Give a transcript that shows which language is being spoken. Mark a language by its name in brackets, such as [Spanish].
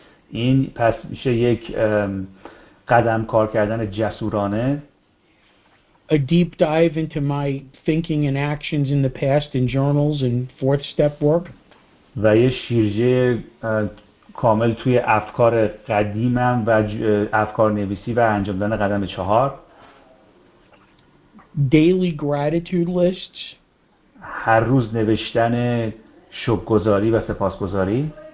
[Persian] این پس میشه یک قدم کار کردن جسورانه. [English] A deep dive into my thinking and actions in the past in journals and fourth step work. [Persian] و یه شیرجه کامل توی افکار قدیمم و افکار نویسی و انجام دادن قدم چهار. [English] Daily gratitude lists. [Persian] هر روز نوشتن شکرگزاری و سپاسگزاری.